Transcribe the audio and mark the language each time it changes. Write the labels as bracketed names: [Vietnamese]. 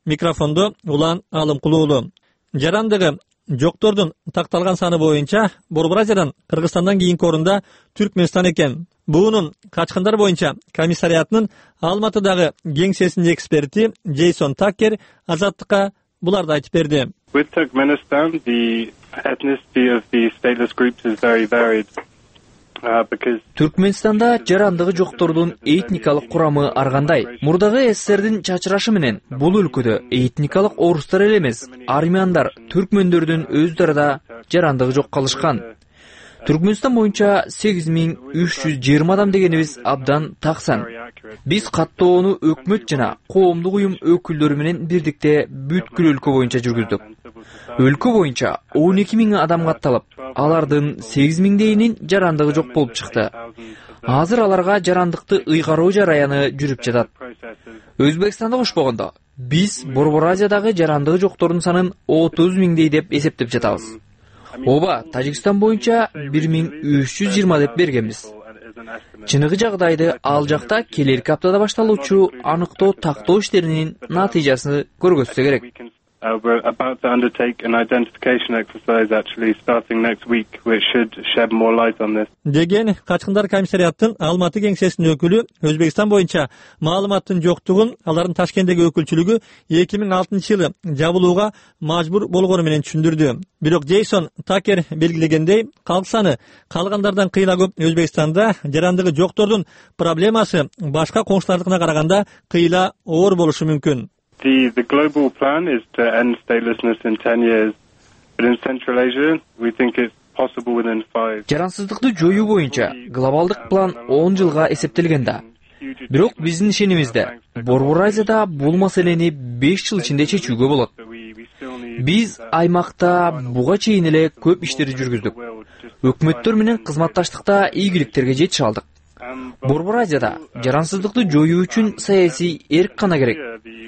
[Kyrgyz] Микрофондо Улан Алымкул уулу. Жарандыгы жоктордун такталган саны боюнча Борбор Азиядан Кыргызстандан кийинки орунда Түркмөнстан экен. Буунун качкындар боюнча комиссариатынын Алматыдагы кеңсесинин эксперти Джейсон Такер Азаттыкка буларды айтып берди. [English] With Turkmenistan, the ethnicity of the stateless groups is very varied. [Kyrgyz] Түркмөнстанда жарандыгы жоктордун этникалык курамы ар кандай. Мурдагы СССРдин чачырашы менен бул өлкөдө этникалык орустар эле эмес, армяндар, түркмөндөрдүн өздөрү да жарандыгы жок калышкан. Түркмөнстан боюнча 8320 адам дегенибиз абдан таксан. Биз каттоону өкмөт жана коомдук уюм өкүлдөрү менен бирдикте бүткүл өлкө боюнча жүргүздүк. Өлкө боюнча 12 000 адам катталып, алардын 8000дейинин жарандыгы жок болуп чыкты. Азыр аларга жарандыкты ыйгаруу жараяны жүрүп жатат. Өзбекстанды кошпогондо биз Борбор Азиядагы жарандыгы жоктордун санын 30 000дей деп эсептеп жатабыз. Ооба, Тажикстан боюнча 1320 деп бергенбиз. Чыныгы жагдайды ал жакта келерки аптада башталуучу аныктоо тактоо иштеринин натыйжасын көргөзсө керек. [English] We're about to undertake an identification exercise actually starting next week which should shed more light on this. [Kyrgyz] Деген качкындар комиссариатынын Алматы кеңсесинин өкүлү Өзбекстан боюнча маалыматтын жоктугун алардын Ташкенттеги өкүлчүлүгү 2006 жылы жабылууга мажбур болгону менен түшүндүрдү. Бирок Джейсон Такер белгилегендей, калк саны калгандардан кыйла көп Өзбекстанда жарандыгы жоктордун проблемасы башка коңшулардыкына караганда кыйла оор болушу мүмкүн. [English] The global plan is to end statelessness in 10 years. But in Central Asia, we think it's possible within 5. [Kyrgyz] Жарансыздыкты жоюу боюнча глобалдык план 10 жылга эсептелген да. Бирок биздин ишенимизде Борбор Азияда бул маселени 5 жыл ичинде чечүүгө болот. Биз аймакта буга чейин эле көп иштерди жүргүздүк. Өкмөттөр менен кызматташтыкта ийгиликтерге жетиш алдык. Борбор Азияда жарансыздыкты жоюу үчүн саясий эрк гана керек.